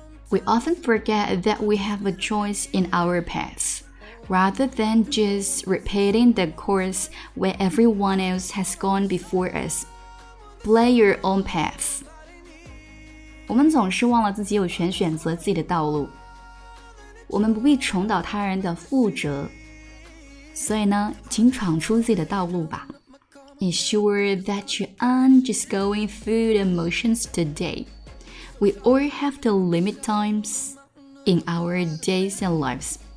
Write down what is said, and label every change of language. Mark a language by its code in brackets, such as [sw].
[en] We often forget that we have a choice in our path rather than just repeating the course where everyone else has gone before us. Play your own path. [zh] 我们总是忘了自己有权选择自己的道路，我们不必重蹈他人的覆辙，所以呢，请闯出自己的道路吧。 [en] Ensure that you aren't just going through the motions today. We all have the limit times in our days and lives.